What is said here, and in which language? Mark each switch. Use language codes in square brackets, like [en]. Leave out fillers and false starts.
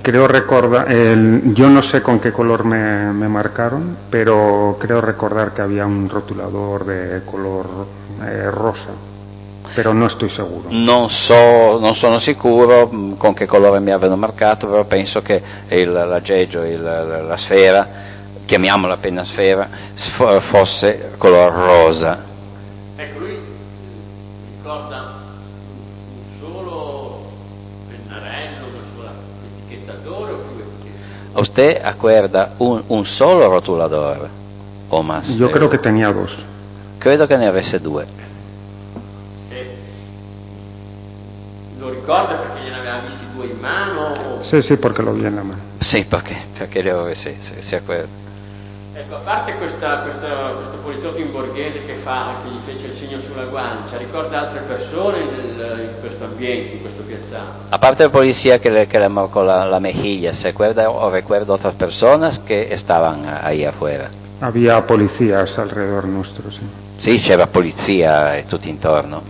[es] Creo recordar, yo no sé con qué color me marcaron, pero creo recordar que había un rotulador de color rosa, pero no estoy seguro. [it] No sono sicuro [es] con qué color me habían marcado, pero pienso que la esfera... [it] chiamiamola appena sfera, fosse color rosa. Ecco, lui ricorda un solo pennarello, una sola etichettatore o più etichettatore? [es] Usted acuerda un solo rotulador o más? [it] Io credo che [es] tenía dos. [it] Credo che ne avesse due. E lo ricorda perché gliene aveva visti due in mano? Sì, perché lo vi in la mano. Sì, perché li avesse, [es] si acuerda. [it] Ecco, a parte questo poliziotto in borghese che gli fece il segno sulla guancia, ricorda altre persone in questo ambiente, in questo piazzale? A parte il polizia che le marcò la mejilla, [es] se acuerda o recuerdo [it] altre persone che stavano [es] ahí afuera? Había policías alrededor nostro, sì. [it] Sì, c'era polizia e tutti intorno.